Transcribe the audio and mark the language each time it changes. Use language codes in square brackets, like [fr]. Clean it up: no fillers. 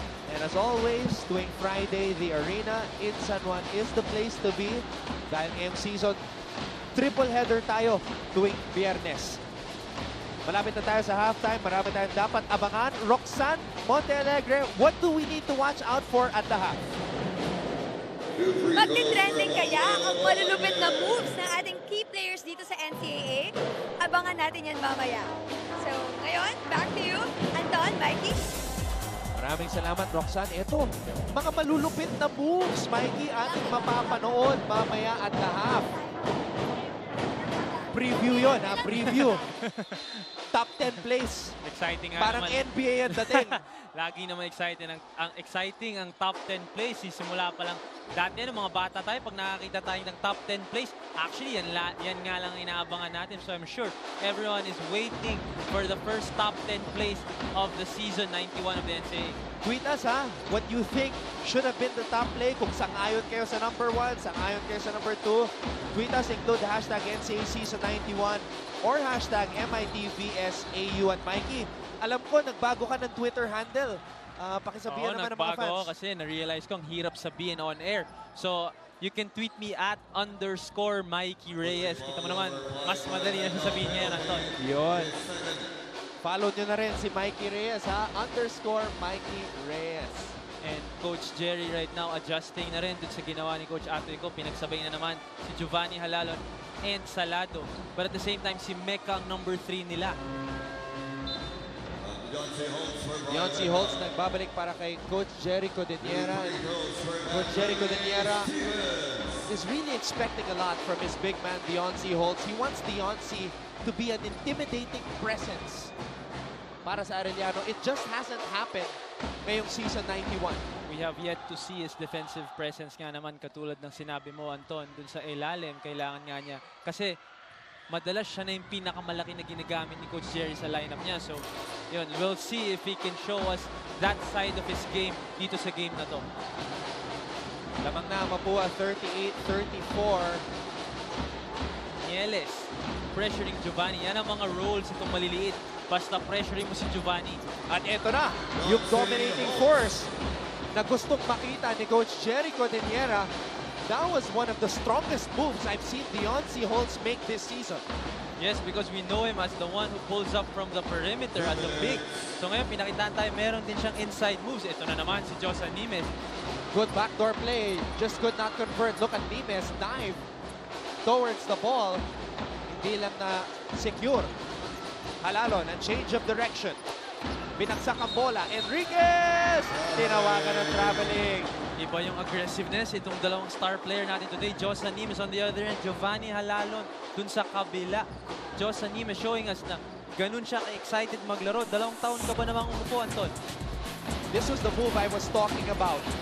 [en] And as always, tuwing Friday, the arena in San Juan is the place to be. [tl] Dahil ngayong season, triple header tayo tuwing Biyernes. Malapit na tayo sa halftime. Marami tayong dapat abangan. [en] Roxanne Montealegre, what do we need to watch out for at the half? [tl] Magtitrending kaya ang malulupit na moves ng ating key players dito sa NCAA? Abangan natin yan mamaya. So, ngayon, [en] back to you, [tl] Anton, Mikey. Maraming salamat, Roxanne. Ito, mga malulupit na moves, Mikey, ating mapapanood mamaya [en] at the half. Preview [tl] yon, ha? [en] Preview. Top 10 place. Exciting. [tl] Parang naman. NBA yan dating. Lagi naman exciting. Ang exciting ang top 10 place. Simula pa lang. Dati ano, mga bata tayo, pag nakakita tayo ng top 10 place, actually, yan nga lang inaabangan natin. [en] So I'm sure everyone is waiting for the first top 10 place of the season 91 of the NCAA. Tweet us, ha? What you think should have been the top play, [tl] kung sang-ayon kayo sa number 1, sang-ayon kayo sa number 2, [en] tweet us, include hashtag NCAA Season 91 or hashtag MITVSAU. [tl] At Mikey, alam ko, nagbago ka ng Twitter handle. Pakisabihan naman ng mga fans. Nagbago ako kasi na-realize ko ang hirap sabihin [en] on air. So, you can tweet me at underscore Mikey Reyes. [tl] Kita mo naman, mas madali na sabihin niya yan, Anton. Yun. Follow nyo na rin si Mikey Reyes, ha? [en] Underscore Mikey Reyes. [tl] And Coach Jerry [en] right now adjusting [tl] na rin dun sa ginawa ni Coach Atoy Ko. Pinagsabay na naman si Giovanni Halalon and Salado. [en] But at the same time, [tl] si Mecca ang number 3 nila. Yancy Holtz, nagbabalik para kay Coach Jerry Codeniera. [en] Coach Jerry Codeniera is really expecting a lot from his big man, Yancy Holtz. He wants Yancy to be an intimidating presence [tl] para sa Arellano. [en] It just hasn't happened [tl] ngayong season 91. [en] We have yet to see his defensive presence [tl] nga naman, katulad ng sinabi mo, Anton, dun sa ilalim, kailangan nga niya. Kasi madalas siya na yung pinakamalaki na ginagamit ni Coach Jerry sa lineup niya. [en] So, yun, we'll see if he can show us that side of his game [tl] dito sa game na to. Lamang na, Mapua, 38-34. [en] Nieles, pressuring Giovanni. [tl] Yan ang mga roles itong maliliit. Basta pressuring mo si Giovanni. At eto na, yung dominating force na gustong makita ni Coach Jerry Codeniera. [en] That was one of the strongest moves I've seen Yancy Holtz make this season. Yes, because we know him as the one who pulls up from the perimeter at the big. [tl] So ngayon, pinakitaan tayo, meron din siyang inside moves. Ito na naman si Jose Nimes. [en] Good backdoor play, just could not convert. Look at Nimes, dive towards the ball. [tl] Hindi lang na secure. Halalon, [en] a change of direction. [tl] Binagsak ang bola, Enriquez! Tinawagan ng traveling. Iba yung aggressiveness itong dalawang [en] star player [tl] natin today. [en] Jose Nimes on the other end, Giovanni Halalon [tl] dun sa kabila. Jose Nimes [en] showing us [tl] na ganun siya ka-excited maglaro. Dalawang taon ka ba namang umupo, Anton? [en] This was the move I was talking about.